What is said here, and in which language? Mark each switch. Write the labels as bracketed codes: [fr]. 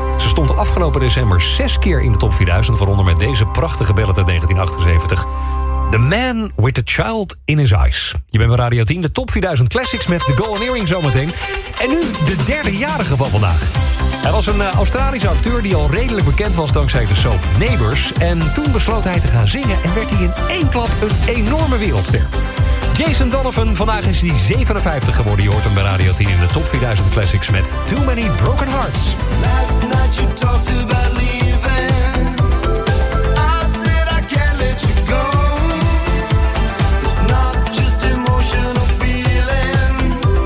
[nl] Ze stond afgelopen december 6 keer in de top 4000... waaronder met deze prachtige ballad uit 1978. [en] The Man with the Child in His Eyes. [nl] Je bent bij Radio 10, de top 4000 classics met The Golden Earring zometeen. En nu de derdejarige van vandaag. Hij was een Australische acteur die al redelijk bekend was dankzij de soap Neighbours. En toen besloot hij te gaan zingen en werd hij in één klap een enorme wereldster. Jason Donovan, vandaag is hij 57 geworden. Je hoort hem bij Radio 10 in de top 4000 classics met Too Many Broken Hearts. [en] Last night you talked about leaving. I said I can't let you go. It's not just emotional feeling.